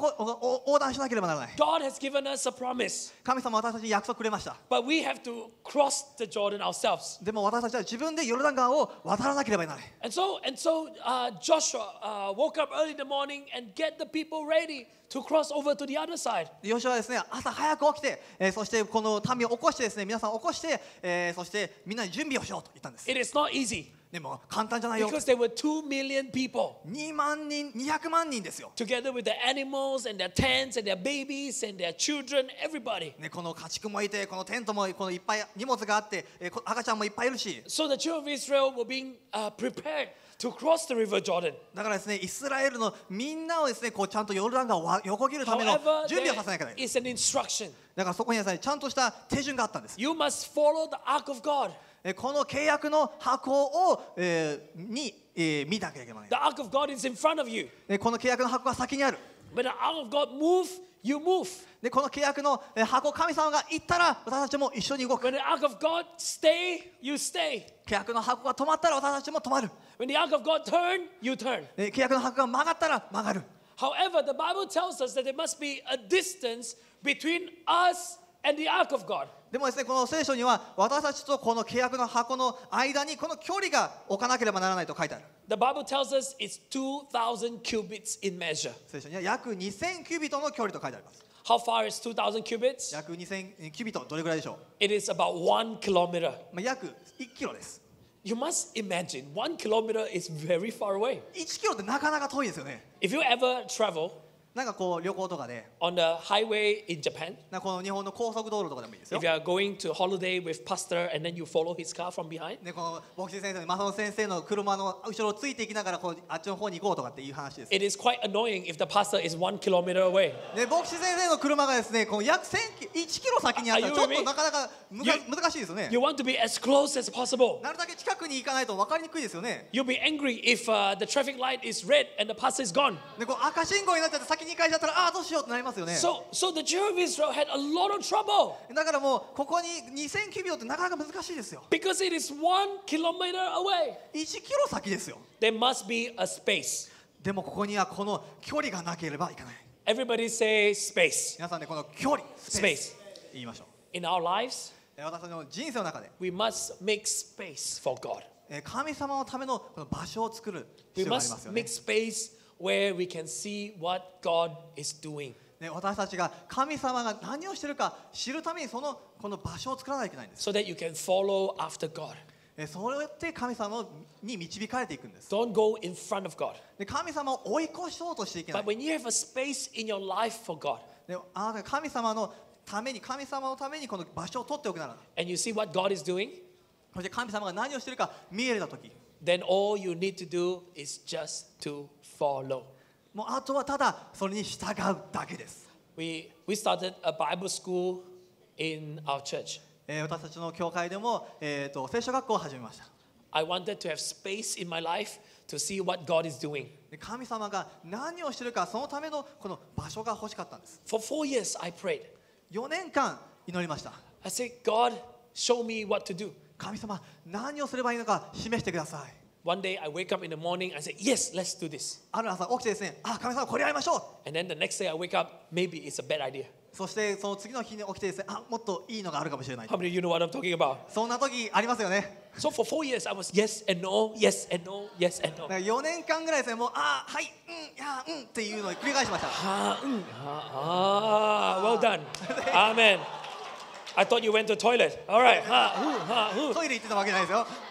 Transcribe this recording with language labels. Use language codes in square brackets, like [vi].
[ja] だからですね、このヨルダン川をですね、約束の地に入るために横断しなければならない。 [en] God has given us a promise. [ja] 神様は私たちに約束くれました。 [en] But we have to cross the Jordan ourselves. [ja] でも私たちは自分でヨルダン川を渡らなければならない。 [en] And so Joshua woke up early in the morning and get the people ready to cross over to the other side. [ja] ヨシュアはですね、朝早く起きて、そしてこの民を起こしてですね、皆さん起こして、そしてみんな準備をしようと言ったんです。 [en] It is not easy. [ja] でも簡単じゃないよ。 [en] Because there were 2 million people. [ja] 200万人ですよ。 [en] Together with the animals and their tents and their babies and their children, everybody. [ja] ね、この家畜もいて、このテントもこのいっぱい荷物があって、赤ちゃんもいっぱいいるし。 [en] So the children of Israel were being prepared to cross the River Jordan. [ja] だからですね、イスラエルのみんなをですね、こうちゃんとヨルダン川を横切るための準備をさせなきゃいけない。 [en] It's an instruction. [ja] だからそこにですね、ちゃんとした手順があったんです。 [en] You must follow the ark of God. [ja] この契約の箱を、に、見なきゃいけない。 [en] The ark of God is in front of you. [ja] この契約の箱は先にある。 [en] When the ark of God moves, you move. [ja] でこの契約の箱、神様が行ったら私たちも一緒に動く。 [en] When the ark of God stay, you stay. [ja] 契約の箱が止まったら私たちも止まる。 [en] When the ark of God turn, you turn. [ja] 契約の箱が曲がったら曲がる。 [en] However, the Bible tells us that there must be a distance between us and the ark of God. [ja] でもですね、この聖書には私たちとこの契約の箱の間にこの距離が置かなければならないと書いてある。 [en] The Bible tells us it's 2,000 cubits in measure. [ja] 聖書には約2,000キュビットの距離と書いてあります。 [en] How far is 2,000 cubits? [ja] 約2,000キュビット、どれくらいでしょう [en] ？It is about 1 kilometer. [ja] 約1キロです。 [en] You must imagine 1 kilometer is very far away. [ja] 1キロってなかなか遠いですよね。 [en] If you ever travel. [ja] なんかこう旅行とかで、 [en] on the highway in Japan, [ja] なんかこの日本の高速道路とかでもいいですよ。 [en] If you are going to holiday with pastor and then you follow his car from behind, [ja] ね、この牧師先生、マサノ先生の車の後ろをついていきながらこうあっちの方に行こうとかっていう話です。 [en] It is quite annoying if the pastor is 1 kilometer away. [ja] ね、牧師先生の車がですね、この約1キロ先にあったらちょっとなかなか難しいですよね。 [en] You want to be as close as possible. [ja] なるだけ近くに行かないと分かりにくいですよね。 [en] You'll be angry if the traffic light is red and the pastor is gone. [ja] ね、こう赤信号になっちゃって2回だったらああどうしようってなりますよね。 [en] So the children of Israel had a lot of trouble. [ja] だからもうここに2000キュビオってなかなか難しいですよ。 [en] Because it is 1 kilometer away. [ja] 1キロ先ですよ。 [en] There must be a space. [ja] でもここにはこの距離がなければいかない。 [en] Everybody say space. [ja] 皆さんで、ね、この距離 [en] スペース [ja] 言いましょう。 [en] In our lives, [ja] 私たちの人生の中で、 [en] we must make space for God. [ja] 神様のためのこの場所を作る必要がありますよね。 [en] We must make space. Where we can see what God is doing. [ja] ね、私たちが神様が何をしているか知るためにそのこの場所を作らないといけないんです。 [en] So that you can follow after God. [ja] ね、そうやって神様に導かれていくんです。 [en] Don't go in front of God. [ja] ね、神様を追い越そうとしていけない。 [en] But when you have a space in your life for God. [ja] ね、あなたが神様のために、神様のためにこの場所を取っておくなら。 [en] And you see what God is doing. [ja] そして神様が何をしているか見えたとき。 [en] Then all you need to do is just to follow. [ja] もうあとはただそれに従うだけです。 [en] We started a Bible school in our church. [ja] 私たちの教会でも聖書学校を始めました。 [en] I wanted to have space in my life to see what God is doing. [ja] 神様が何をしているかそのためのこの場所が欲しかったんです。 [en] For 4 years, I prayed. [ja] 4年間祈りました。 [en] I said, God, show me what to do. [ja] 神様、何をすればいいのか示してください。 [en] One day I wake up in the morning and say, "Yes, let's do this." [ja] ある朝起きてですね、あ、神様これやりましょう。 [en] And then the next day I wake up, maybe it's a bad idea. [ja] そしてその次の日に起きてですね、あ、もっといいのがあるかもしれない。 [en] How many of you know what I'm talking about? [ja] そんな時ありますよね。 [en] So for 4 years I was yes and no, yes and no, yes and no. [ja] 四年間ぐらいですね、もうあ、はい、うん、いや、うんっていうのを繰り返しました。 [en] はあ、うん、ああ、well done, amen. I thought you went to the toilet. All right. [ja] トイレ行ってたわけないですよ。